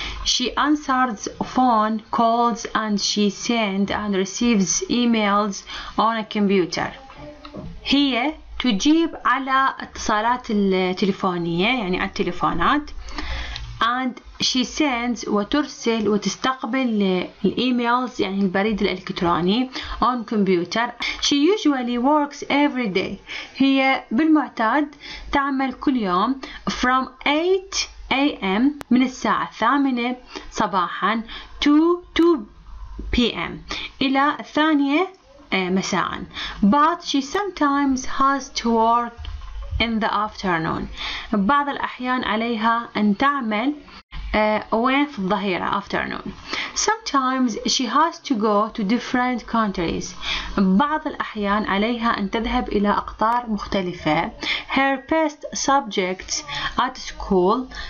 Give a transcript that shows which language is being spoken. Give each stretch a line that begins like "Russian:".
English: She answers phone calls and she sends and receives emails on a computer.
Arabic: هي تجيب على اتصالات التليفونية يعني على التليفونات
English: and she sends
Arabic: وترسل وتستقبل الايميلز يعني البريد الالكتروني
English: on computer. She usually works every day.
Arabic: هي بالمعتاد تعمل كل يوم
English: from 8 a.m.
Arabic: من الساعة 8 صباحا
English: to 2 p.m.
Arabic: إلى الثانية مساء.
English: But she sometimes has to work in the afternoon.
Arabic: بعض الأحيان عليها أن تعمل وين في الظهيرة afternoon.
English: Sometimes she has to go to different countries.
Arabic: بعض الأحيان عليها أن تذهب إلى أقطار مختلفة.
English: Her best subjects at school.